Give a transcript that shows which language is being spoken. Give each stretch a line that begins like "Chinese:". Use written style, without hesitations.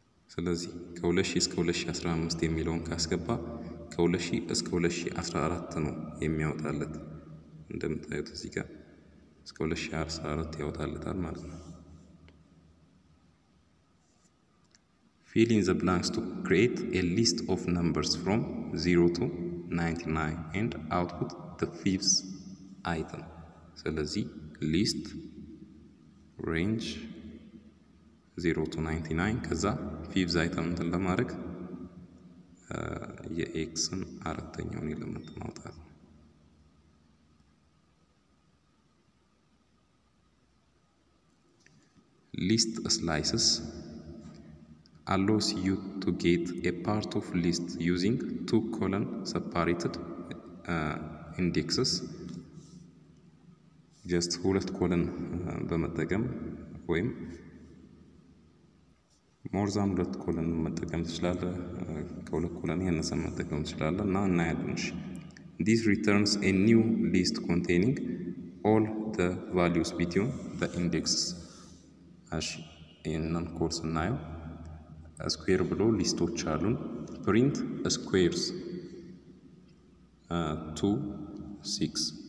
Amharic: ስለዚህ ከ2000 እስከ 2015 የሚለውን ካስገባ ከ2000 እስከ 2014 ነው የሚያወጣለት። እንደምታዩት እዚህ ጋር እስከ 2014 ያወጣልታል ማለት ነው።
English: Fill in the blanks to create a list of numbers from 0 to 99 and output the fifth item.
Amharic: ስለዚህ list range 0 to 99 ከዛ fifth item እንትን ለማድረግ የx-ን አራተኛውን ኤሌመንት ማውጣት።
English: list slices allows you to get a part of list using two colon separated indexes just
Amharic: ሁለት colon በመጠቀም ወይም more than ሁለት colon መጠቀም ይችላል። ከሁለት colon ያነሰ መጠቀም ይችላል እና እናያለን።
English: this returns a new list containing all the values between the indexes.
Amharic: እሺ ይህንን ኮርስ እናየው። ስኩዌር ብሎ ሊስቶች አሉን። ፕሪንት ስኩዌርስ 2 6